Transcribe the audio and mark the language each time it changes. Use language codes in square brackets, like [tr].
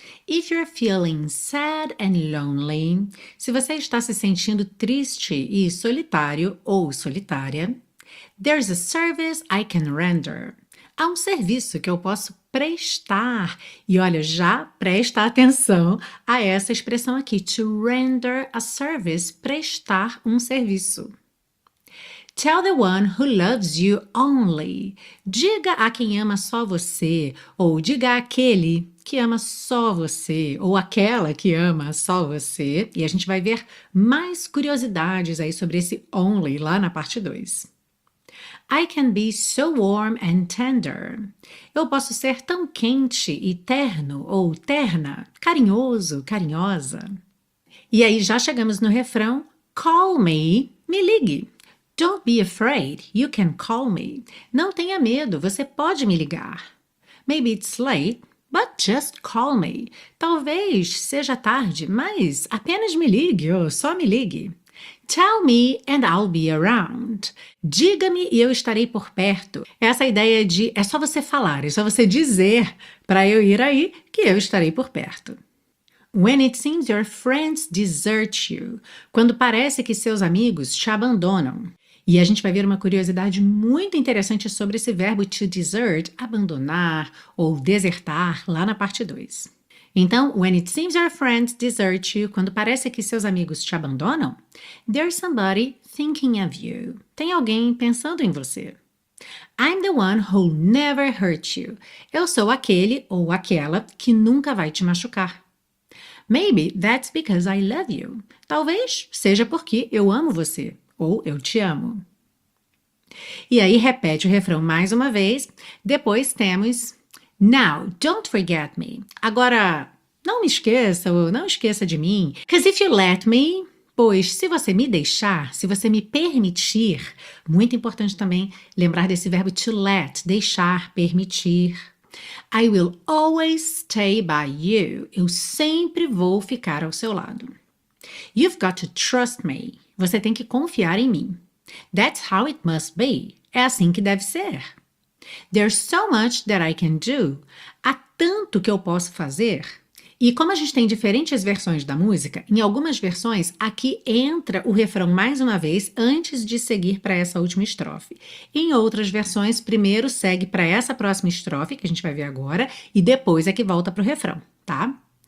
[en] If you're feeling sad and lonely, [pt] se você está se sentindo triste e solitário ou solitária, [en] there's a service I can render. [pt] Há um serviço que eu posso prestar. E olha, já presta atenção a essa expressão aqui, [en] to render a service, [pt] prestar um serviço. [en] Tell the one who loves you only. [pt] Diga a quem ama só você, ou diga àquele que ama só você, ou aquela que ama só você. E a gente vai ver mais curiosidades aí sobre esse only lá na parte 2. [en] I can be so warm and tender. [pt] Eu posso ser tão quente e terno, ou terna, carinhoso, carinhosa. E aí já chegamos no refrão, [en] call me, [pt] me ligue. [en] Don't be afraid, you can call me. [pt] Não tenha medo, você pode me ligar. [en] Maybe it's late, but just call me. [pt] Talvez seja tarde, mas apenas me ligue, ou só me ligue. [en] Tell me and I'll be around. [pt] Diga-me e eu estarei por perto. Essa ideia de é só você falar, é só você dizer para eu ir aí que eu estarei por perto. [en] When it seems your friends desert you. [pt] Quando parece que seus amigos te abandonam. E a gente vai ver uma curiosidade muito interessante sobre esse verbo to desert, abandonar ou desertar, lá na parte 2. Então, [en] when it seems your friends desert you, [pt] quando parece que seus amigos te abandonam, [en] there's somebody thinking of you. [pt] Tem alguém pensando em você. [en] I'm the one who'll never hurt you. [pt] Eu sou aquele ou aquela que nunca vai te machucar. [en] Maybe that's because I love you. [pt] Talvez seja porque eu amo você. Ou eu te amo. E aí repete o refrão mais uma vez. Depois temos... [en] Now, don't forget me. [pt] Agora, não me esqueça ou não esqueça de mim. [en] 'Cause if you let me... [pt] Pois, se você me deixar, se você me permitir, muito importante também lembrar desse verbo to let, deixar, permitir. [en] I will always stay by you. [pt] Eu sempre vou ficar ao seu lado. [en] You've got to trust me. [pt] Você tem que confiar em mim. [en] That's how it must be. [pt] É assim que deve ser. [en] There's so much that I can do. [pt] Há tanto que eu posso fazer. E como a gente tem diferentes versões da música, em algumas versões aqui entra o refrão mais uma vez antes de seguir para essa última estrofe. Em outras versões, primeiro segue para essa próxima estrofe que a gente vai ver agora e depois é que volta para o refrão, tá?